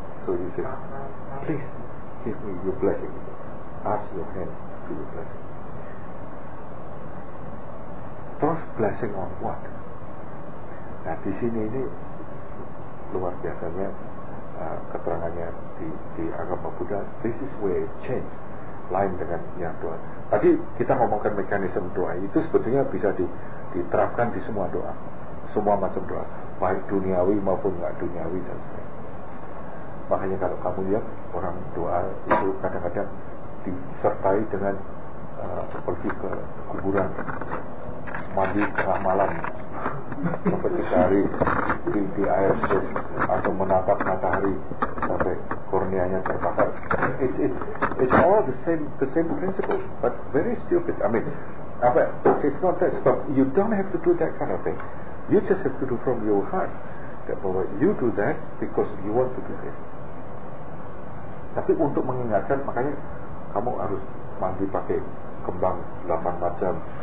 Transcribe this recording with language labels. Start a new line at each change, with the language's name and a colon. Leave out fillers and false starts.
English: So you say, please give me your blessing. Ask your hand to your blessing.
Indonesian: Terus
English: blessing on what?
Indonesian: Nah di sini ini luar biasanya keterangannya di agama Buddha.
English: This is where it changes.
Indonesian: Lain dengan yang doa. Tadi kita ngomongkan mekanisme doa itu sebetulnya bisa diterapkan di semua doa, semua macam doa, baik duniawi maupun nggak duniawi dan sebagainya. Makanya kalau kamu lihat orang doa itu kadang-kadang disertai dengan pergi ke kuburan, mandi tengah malam, mencari di air sumur atau menatap matahari sampai korneanya terbakar.
English: It's all the same principle, but very stupid. I mean, but it's not that stupid. You don't have to do that kind of thing. You just have to do from your heart. That bahwa you do that because you want to do this.
Indonesian: Tapi untuk mengingatkan, makanya kamu harus mandi pakai kembang 8 macam.